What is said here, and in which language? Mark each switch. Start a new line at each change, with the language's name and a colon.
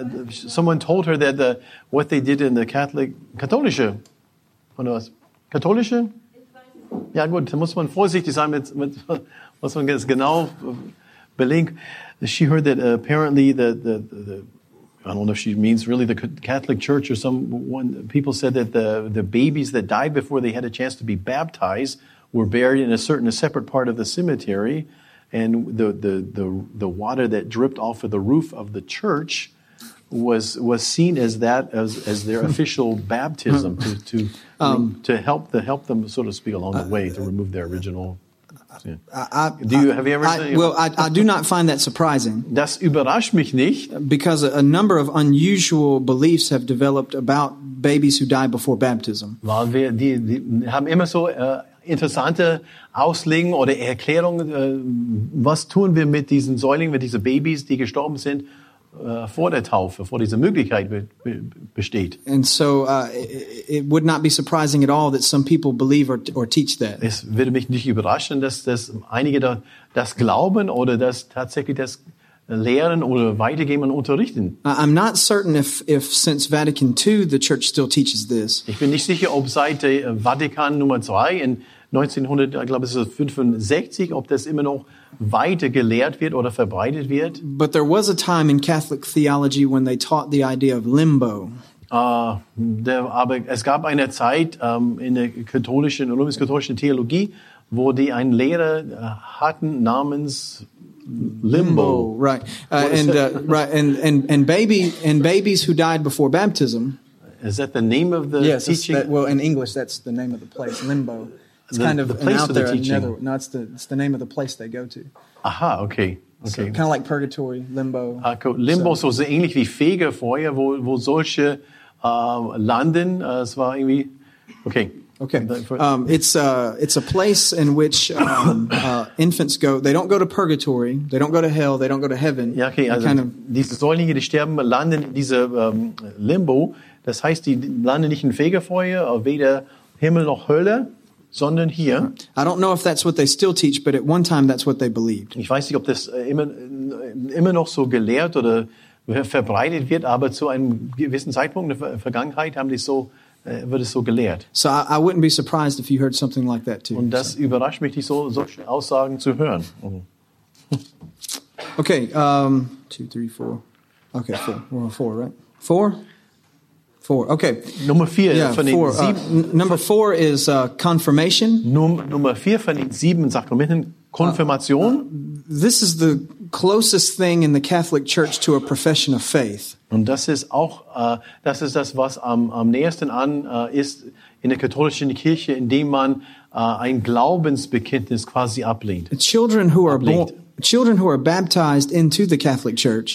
English: Someone told her that what they did in the
German: katholische, oder was? Katholische? Ja gut, da muss man vorsichtig sein mit was man jetzt genau belegt.
English: She heard that apparently the I don't know if she means really the Catholic Church or someone. People said that the babies that died before they had a chance to be baptized were buried in a separate part of the cemetery, and the water that dripped off of the roof of the church was seen as that as their official baptism to help them so to speak along the way to remove their original. I do not find that surprising.
German: Das überrascht mich nicht.
English: Because a number of unusual beliefs have developed about babies who die before baptism.
German: Weil wir die haben immer so interessante Auslegungen oder Erklärungen. Was tun wir mit diesen Säuglingen, mit diesen Babys, die gestorben sind vor der Taufe, vor dieser Möglichkeit besteht.
English: And so it would not be surprising at all that some people believe or teach that.
German: Es würde mich nicht überraschen, dass einige das glauben oder das tatsächlich das lehren oder weitergeben und unterrichten.
English: I'm not certain if since Vatican II the church still teaches this.
German: Ich bin nicht sicher, ob seit Vatikan Nummer 2 in 1900, ich glaube es ist 65, ob das immer noch weiter gelehrt wird oder verbreitet wird.
English: But there was a time in Catholic theology when they taught the idea of limbo.
German: Aber es gab eine Zeit in der katholischen, römisch-katholischen Theologie, wo die einen Lehrer hatten namens Limbo.
English: Right. And babies who died before baptism. Is that the name of the teaching? Yes. In English, that's the name of the place, Limbo. It's the, kind of the place of the teaching. No, it's the name of the place they go to. Aha, okay. Okay. So, kind of like Purgatory, Limbo. Okay.
German: Limbo, so, so ähnlich wie Fegefeuer, wo, wo solche landen. Es war irgendwie, okay.
English: Okay, it's a place in which infants go. They don't go to purgatory. They don't go to hell. They don't go to heaven.
German: Ja, okay, also diese Säuglinge, die sterben, landen in diese Limbo. Das heißt, die landen nicht in Fegefeuer, weder Himmel noch Hölle, sondern hier.
English: I don't know if that's what they still teach, but at one time that's what they believed.
German: Ich weiß nicht, ob das immer noch so gelehrt oder verbreitet wird, aber zu einem gewissen Zeitpunkt in der Vergangenheit haben die so. Wird es so gelehrt.
English: So I wouldn't be surprised if you heard something like that too.
German: Und das so. Überrascht mich, dich so solche Aussagen zu hören.
English: Okay, 2, 3, 4. Okay, 4. We're on 4, right? 4? 4. Okay.
German: Nummer 4
English: yeah,
German: von
English: four.
German: Den 7.
English: Number 4 is confirmation.
German: Nummer 4 von den 7 Sakramenten, Konfirmation.
English: This is the closest thing in the Catholic Church to a profession of faith.
German: Und das ist auch das ist das, was am nächsten an ist in der katholischen Kirche, indem man ein Glaubensbekenntnis quasi ablehnt.
English: Children who are baptized into the Catholic Church.